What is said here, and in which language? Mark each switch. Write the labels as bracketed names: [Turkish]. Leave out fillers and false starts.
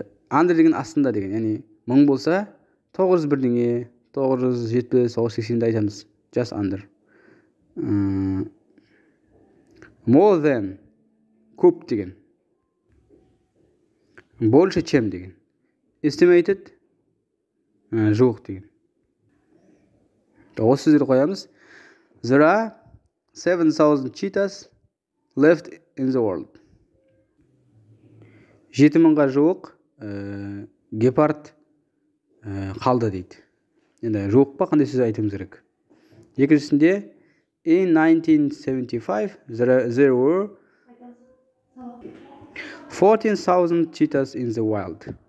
[Kazakh] Under деген астында деген. Яғни мың болса, 901 деген, 970, 980 деп айтамыз. [English] Just under. More than [Kazakh] көп деген. [Russian] Больше чем деген. [Kazakh] Estimated жоқ деген. Осы сөздерді қоямыз. [English] There are 7,000 cheetahs left in the world. [Kazakh] 7,000-ға жоқ гепард қалды дейді. Енді жоқ па, қандай сөз айтуымыз керек? Екіншісінде [English] in 1975 there were 14,000 cheetahs in the wild.